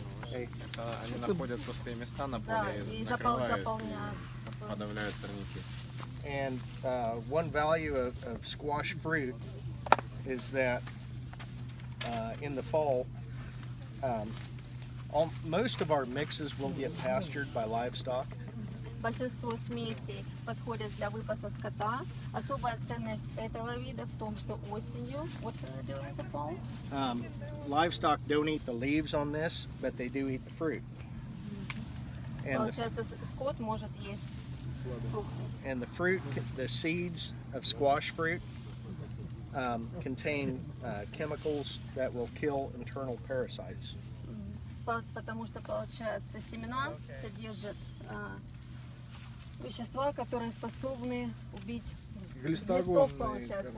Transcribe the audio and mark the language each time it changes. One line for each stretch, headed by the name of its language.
Russian: Они находят пустые места на поле и подавляют сорняки.
English: And one value of squash fruit is that in the fall, most of our mixes will get pastured by livestock.
Russian: Большинство смесей подходят для выпаса скота. Особая ценность этого вида в том, что осенью,
English: what can they do in the fall? Livestock don't eat the leaves on this, but they do eat the fruit.
Russian: Получается, скот может есть фрукты.
English: And the fruit, the seeds of squash fruit contain chemicals that will kill internal parasites.
Russian: Потому что, получается, семена содержат вещества, которые способны убить глистогонные,